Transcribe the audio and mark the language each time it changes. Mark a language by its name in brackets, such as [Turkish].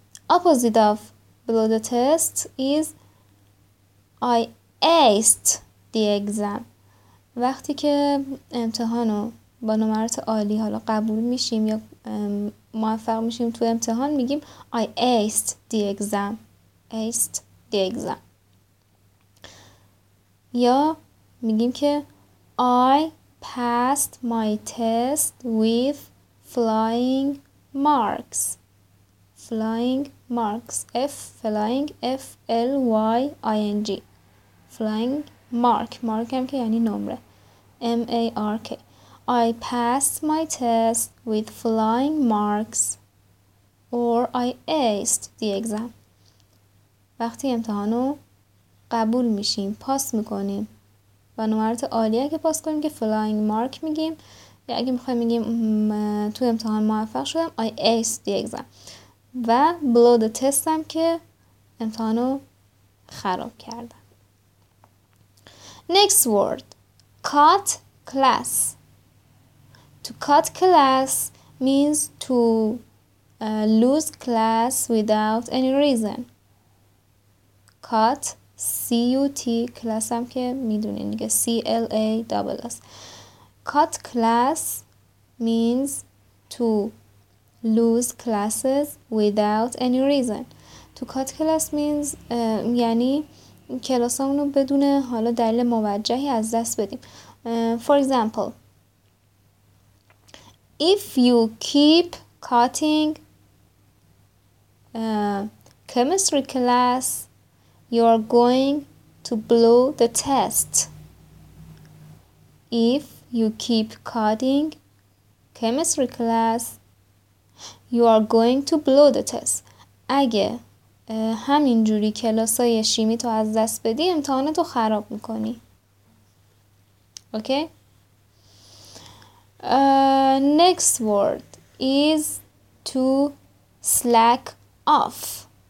[English] Opposite of blow the test is I aced the exam. [Persian] وقتی که امتحانو با نمرات عالی حالا قبول میشیم یا موفق میشیم تو امتحان میگیم [English] I aced the exam. Aced the exam. [Persian] یا میگیم که [English] I passed my test with flying marks. Flying marks. F flying F L Y I N G. Flying mark. Mark [Persian] هم که یعنی نمره. [English] M A R K. I passed my test with flying marks or I aced the exam. [Persian] وقتی امتحانو قبول میشیم، پاس میکنیم. و نمرات عالیه که پاس کنیم که flying mark میگیم. یا اگه میخوایم میگیم تو امتحان موفق شدم، [English] I aced the exam. [Persian] و blow the test هم که امتحانو خراب کردم. [English] Next word. Cut class. To cut class means to lose class without any reason. Cut, C-U-T, class [Persian] هم که میدونین دیگه [English] C-L-A-S-S. Cut class means to lose classes without any reason. To cut class means [Persian] یعنی کلاس همونو بدون حالا دلیل موجهی از دست بدیم. [English] For example, if you keep cutting chemistry class, you are going to blow the test. If you keep cutting chemistry class, you are going to blow the test. [Persian] اگه همین جوری کلاسای شیمی تو از دست بدی امتحانتو خراب میکنی. [English] Okay? Next word is to slack off.